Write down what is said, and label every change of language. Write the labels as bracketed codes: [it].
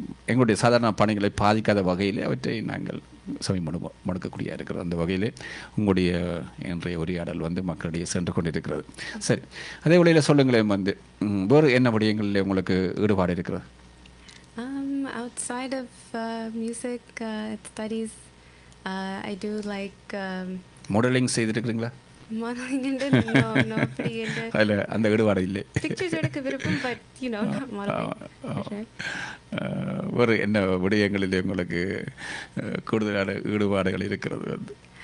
[ta] எங்களுடைய சாதாரண பணிகளை பாதிக்காத வகையில் அவற்றை நாங்கள் சமயம் முடக்கக்கூடியா இருக்கிறது. அந்த வகையில் உங்களுடைய இன்றைய உரையாடல் வந்து மக்களிடையே சென்று கொண்டிருக்கிறது. சரி, அதே வழியில் சொல்லுங்களேன் வந்து வேறு என்ன விடயங்களில் உங்களுக்கு ஈடுபாடு இருக்கிறது? [en] Outside of music studies, I do like [ta] modeling. செய்திருக்கீங்களா? Modeling என்ற நோபடி இல்ல, அந்த ஈடுபாடு இல்ல. [en] pictures [ta] எடுக்க விருப்பம், [en] But you know, not modelling. [ta] ஒரு என்ன விடயங்களில் உங்களுக்கு கூடுதலான ஈடுபாடுகள் இருக்கிறது வந்து?